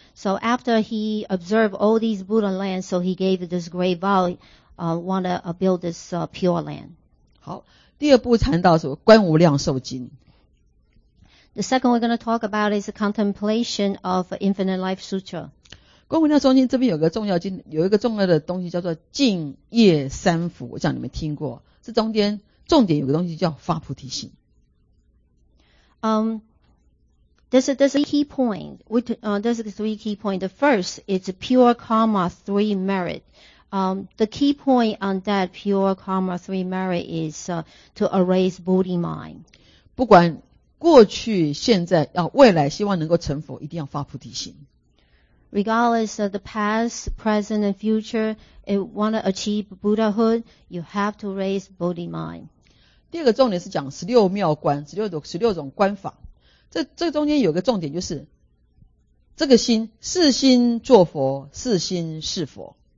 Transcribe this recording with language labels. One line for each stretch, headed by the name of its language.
English: So after he observed all these Buddha lands, so he gave this great vow, want to build this pure land.
Chinese: 好，第二步谈到什么？观无量寿经。
English: The second we're going to talk about is the contemplation of Infinite Life Sutra.
Chinese: 观无量寿经这边有个重要经，有一个重要的东西叫做净业三福，我想你们听过。这中间重点有个东西叫发菩提心。
English: There's a key point. There's three key points. The first is pure karma, three merit. The key point on that pure karma, three merit is to erase Bodhi mind.
Chinese: 不管过去、现在、未来，希望能够成佛，一定要发菩提心。
English: Regardless of the past, present, and future, if you want to achieve Buddhahood, you have to raise Bodhi mind.
Chinese: 第二个重点是讲十六妙观，十六种观法。这中间有个重点，就是这个心是心作佛，是心是佛。